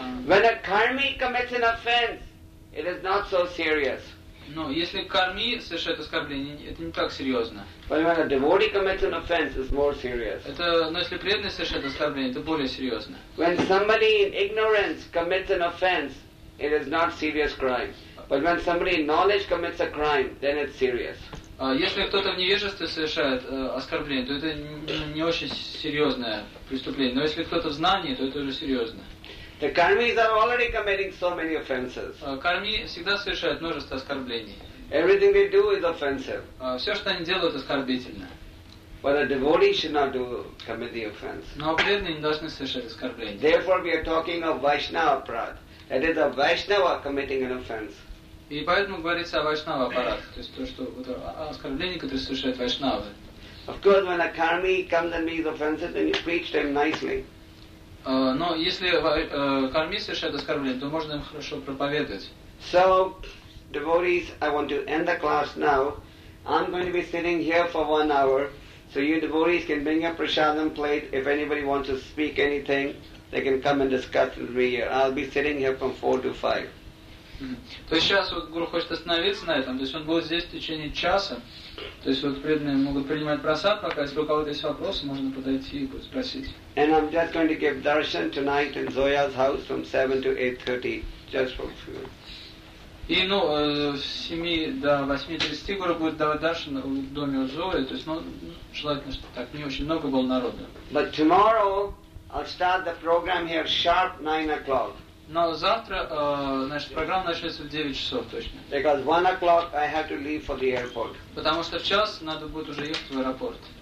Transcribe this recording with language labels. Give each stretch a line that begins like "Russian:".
English: When a karmi commits an offense, it is not so serious.
Russian: Но если карми совершает оскорбление, это не так серьезно.
English: But when a devotee commits an offense, it's more serious.
Russian: Это, но если преданный совершает оскорбление, это более серьезно.
English: When somebody in ignorance commits an offense, it is not serious crime. But when somebody in knowledge commits a crime, then it's serious.
Russian: Если кто-то в невежестве совершает оскорбление, то это не очень серьезное преступление. Но если кто-то в знании, то это уже серьезно.
English: The karmis are already committing so many offenses.
Russian: Карми всегда совершают множество оскорблений.
English: Everything they do is offensive.
Russian: Все, что они делают, оскорбительно.
English: But a devotee should not commit the offense.
Russian: Но преданные не должны совершать оскорбления.
English: Therefore, we are talking of Vaishnava prat. That is a Vaishnava committing an offense.
Russian: И поэтому говорится о вайшнава аппарате, то есть то, что вот, оскорбление, которое совершает вайшнавы.
English: Of course, when a karmi comes and makes offenses, then you preach to him nicely.
Russian: Но если карми совершает оскорбление, то можно им хорошо проповедовать.
English: So, devotees, I want to end the class now. I'm going to be sitting here for 1 hour, so you devotees can bring your prasadam plate. If anybody wants to speak anything, they can come and discuss with me here. I'll be sitting here from 4 to 5.
Russian: То есть сейчас вот гуру хочет остановиться на этом, то есть он будет здесь в течение часа, то есть вот преданные могут принимать просад, пока если у кого-то есть вопросы, можно подойти и будет спросить.
English: And I'm just going to give darshan tonight in Zoya's house from 7 to 8:30, just for a few.
Russian: И ну с 7 до 8:30 гуру будет давать даршан в доме у Зои, то есть ну желательно, что так не очень много было народу.
English: But tomorrow I'll start the program here sharp 9 o'clock.
Russian: Но завтра, значит, программа начнется в 9 часов точно.
English: Because 1 o'clock I have to leave for the airport.
Russian: Потому что в час надо будет уже ехать в аэропорт.